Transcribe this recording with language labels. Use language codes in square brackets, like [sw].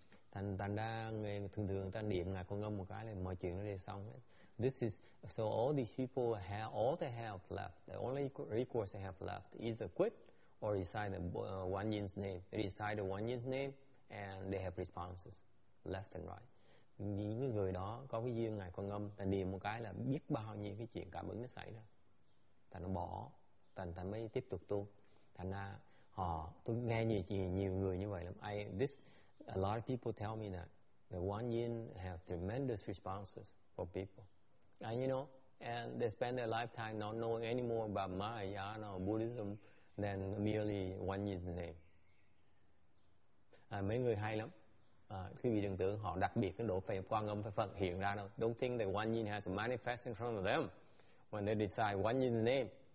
[vi] Thành ra người thường thường ta niệm Ngài Quan Âm một cái là mọi chuyện nó đi xong. [en] This is so all these people have all they have left. The only recourse they have left is either quit or recite the Quan Yin's name. They recite the Quan Yin's name and they have responses left and right. [vi] Những người đó có cái duyên Ngài Quan Âm, ta niệm một cái là biết bao nhiêu cái chuyện cảm ứng nó xảy ra. Thành nó bỏ, thành ta mới tiếp tục tu. Thành ra họ, tôi nghe nhiều người như vậy lắm. [en] A lot of people tell me that the Quan Yin have tremendous responses for people. And you know, and they spend their lifetime not knowing any more about Mahayana or Buddhism than merely Quan Yin's name. [vi] mấy người hay lắm. Quý vị đừng tưởng họ đặc biệt cái độ phải quan âm phải phật hiện ra đâu. [en] Don't think that one yin has manifest in front of them when they decide one yin's name.